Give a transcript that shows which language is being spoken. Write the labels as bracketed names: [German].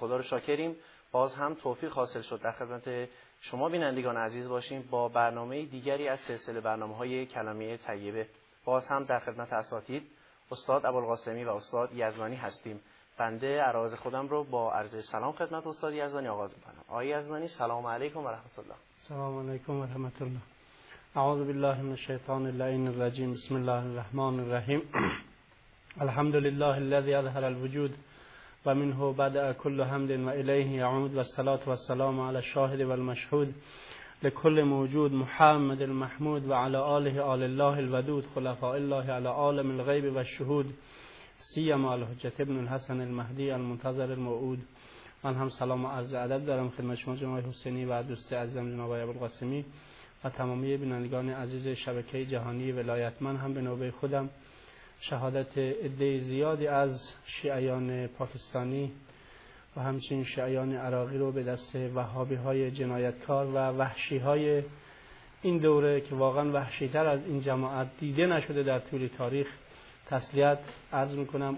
[Persian] خدا رو شاکریم باز هم توفیق حاصل شد در خدمت شما بینندگان عزیز باشیم با برنامه دیگری از سلسله برنامه‌های کلمه طیبه. باز هم در خدمت اساتید استاد ابوالقاسمی و استاد یزدانی هستیم. بنده عرض خودم رو با عرض سلام خدمت استاد یزدانی آغاز می‌کنم. آقای یزدانی سلام علیکم و رحمت الله. سلام علیکم و رحمت الله. [Arabic] أعوذ بالله من الشيطان اللعين الرجيم. بسم الله الرحمن الرحيم. الحمد لله الذي أظهر الوجود ومنه بدأ كل حمد وإليه يعود والصلاة والسلام على الشاهد والمشهود لكل موجود محمد المحمود وعلى آله آل الله الودود خلفاء الله على عالم الغيب والشهود سيما الحجة ابن الحسن المهدي المنتظر الموعود. [Persian] من هم سلام و عرض ادب دارم خدمت شما جناب حسینی و دوست عزیزم جناب ابوالقاسمی و تمامی بینندگان عزیز شبکه جهانی ولایت. من هم به نوبه خودم شهادت عده زیادی از شیعیان پاکستانی و همچنین شیعیان عراقی رو به دست وهابی های جنایتکار و وحشی های این دوره که واقعا وحشی تر از این جماعت دیده نشده در طول تاریخ تسلیت عرض میکنم.